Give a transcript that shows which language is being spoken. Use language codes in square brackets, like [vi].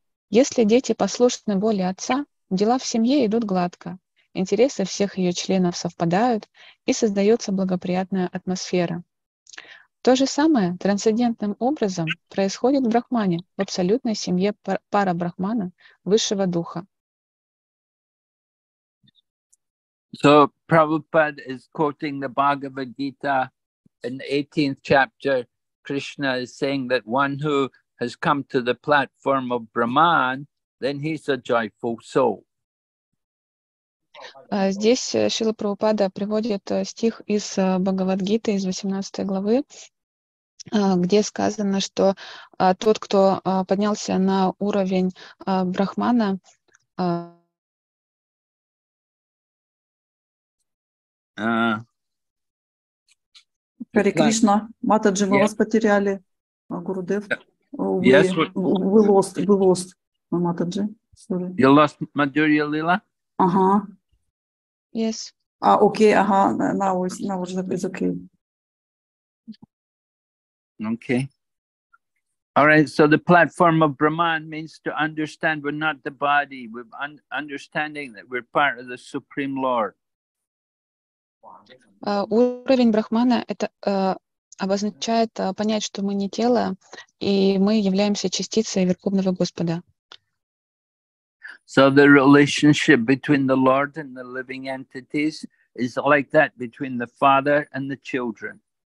[ru] Если дети послушны воле отца, дела в семье идут гладко, интересы всех ее членов совпадают и создается благоприятная атмосфера. То же самое трансцендентным образом происходит в Брахмане, в абсолютной семье пара Брахмана, высшего духа. [en] So Prabhupada is quoting the Bhagavad Gita in the 18th chapter. Krishna is saying that one who has come to the platform of Brahman, then he's a joyful soul. [ru] Здесь Шрила Прабхупада приводит стих из Бхагавад-гиты, из 18 главы, где сказано, что тот, кто поднялся на уровень Брахмана, Харе Кришна, Матаджи, мы вас потеряли, Гурудев. [en] We lost. Матаджи. Sorry. You lost Madhurya Lila? Yes. Okay, now it's okay. Okay. All right, so the platform of Brahman means to understand we're not the body, we're understanding that we're part of the Supreme Lord. [ru] Уровень Брахмана – это обозначает понять, что мы не тело, и мы являемся частицей Верховного Господа. [en] So the relationship between the Lord and the living entities is like that between the father and the children.